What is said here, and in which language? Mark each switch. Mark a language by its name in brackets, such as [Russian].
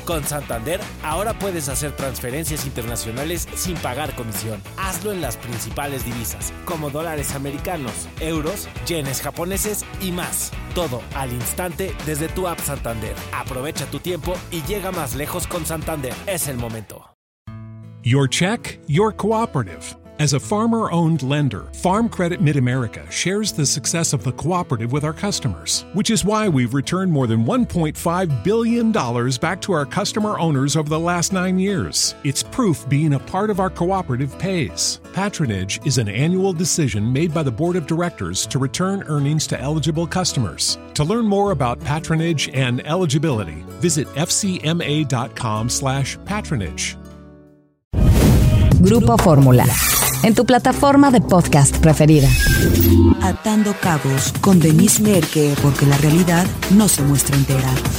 [Spanish] Con Santander, ahora puedes hacer transferencias internacionales sin pagar comisión. Hazlo en las principales divisas, como dólares americanos, euros, yenes japoneses y más. Todo al instante desde tu app Santander. Aprovecha tu tiempo y llega más lejos con Santander. Es el momento. [English] Your check, your cooperative. As a farmer-owned lender, Farm Credit Mid-America shares the success of the cooperative with our customers, which is why we've returned more than $1.5 billion back to our customer owners over the last 9 years. It's proof being a part of our cooperative pays. Patronage is an annual decision made by the board of directors to return earnings to eligible customers. To learn more about patronage and eligibility, visit fcma.com/patronage. [Spanish] Grupo Fórmula, en tu plataforma de podcast preferida. Atando cabos con Denise Merke, porque la realidad no se muestra entera.